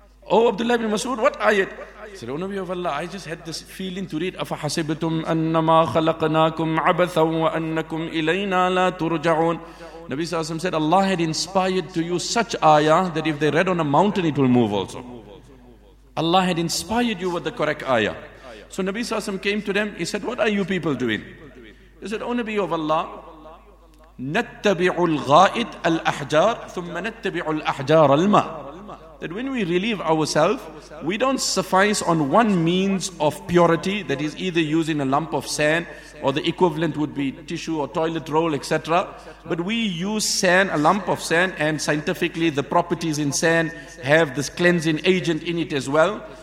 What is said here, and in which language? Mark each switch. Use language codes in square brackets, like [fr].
[en] Oh, Abdullah ibn Mas'ud, what ayat? He said, oh, Nabi of Allah, I just had this feeling to read, [ar] أَفَحَسِبْتُمْ أَنَّمَا خَلَقْنَاكُمْ عَبَثًا وَأَنَّكُمْ إِلَيْنَا لَا تُرْجَعُونَ. [en] Nabi SAW said, Allah had inspired to you such ayah that if they read on a mountain, it will move also. Allah had inspired you with the correct ayah. So Nabi SAW came to them, he said, what are you people doing? He said, oh, Nabi of Allah, [ar] نَتَّبِعُ الْغَائِدَ الْأَحْجَارَ ثُمَّ نَتَّبِعُ الْأَحْجَارَ الْمَا. [en] That when we relieve ourselves, we don't suffice on one means of purity, that is either using a lump of sand, or the equivalent would be tissue or toilet roll, etc. But we use sand, a lump of sand, and scientifically the properties in sand have this cleansing agent in it as well.